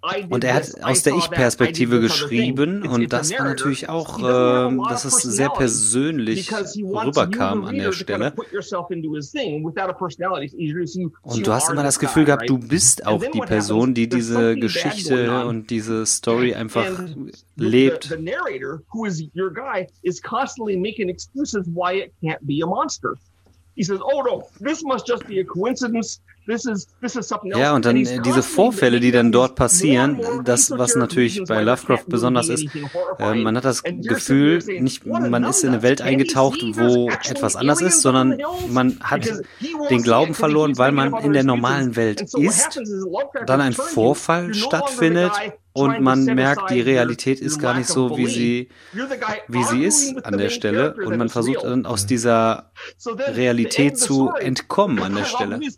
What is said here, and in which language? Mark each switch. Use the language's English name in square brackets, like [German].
[German] Und er hat aus der Ich-Perspektive geschrieben und das war natürlich auch, dass es sehr persönlich rüberkam an der Stelle. Und du hast immer das Gefühl gehabt, du bist auch die Person, die diese Geschichte und diese Story einfach lebt. [English] The narrator, who is your guy, is constantly making excuses why it can't be a monster. He says, oh no, this must just be a coincidence. This is something else. [German] Ja, und dann diese Vorfälle, die dann dort passieren, das, was natürlich bei Lovecraft besonders ist, man hat das Gefühl, nicht, man ist in eine Welt eingetaucht, wo etwas anders ist, sondern man hat den Glauben verloren, weil man in der normalen Welt ist, dann ein Vorfall stattfindet und man merkt, die Realität ist gar nicht so, wie sie ist an der Stelle und man versucht dann aus dieser Realität zu entkommen an der Stelle.